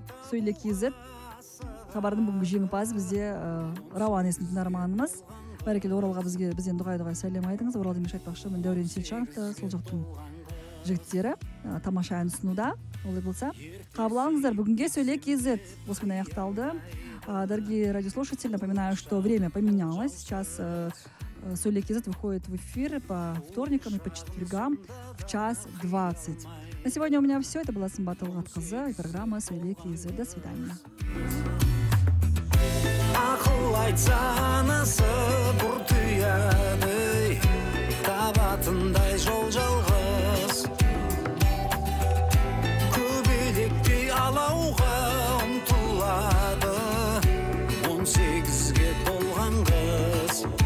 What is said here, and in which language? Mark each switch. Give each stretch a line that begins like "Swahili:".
Kazakh: Сөйле кезіп хабардың бүгінгі жеңімпазы бізде Рауан есімді тыңдарманымыз. Бәрекелді Оралға бізден дұғай-дұғай сәлем айтыңыз. Оралды мен айтпақшы, мен Дәурен Селчановты, сол жақтың жігіттері тамаша ән ұсынуда. Олай болса, қабыл алыңыздар. Бүгінге Сөйле кезіп осымен аяқталды.
Russian: Дорогие радиослушатели, напоминаю, что время поменялось. Сейчас Сөйле кезіп выходит в эфир по вторникам и по четвергам в 1:20. На сегодня у меня все. Это была Сымбат Талғатқызы и программа «Сөйле кезі». До свидания.
Kazakh: Ақыл айтса анасы бұр түйеді, табатындай жол жалғыз. Көбелекті алауға ұмтылады, 18-ге толған қыз.